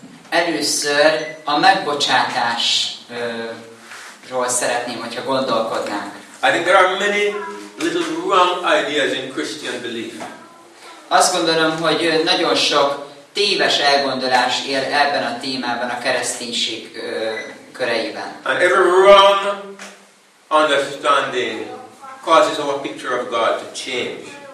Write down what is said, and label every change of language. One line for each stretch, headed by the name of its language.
Hungarian: Először a megbocsátásról szeretném, hogyha gondolkodnánk.
English: I think there are many little wrong ideas in Christian belief.
Hungarian: Azt gondolom, hogy nagyon sok téves elgondolás él ebben a témában a kereszténység köreiben.
English: And every wrong understanding causes our picture of God to change.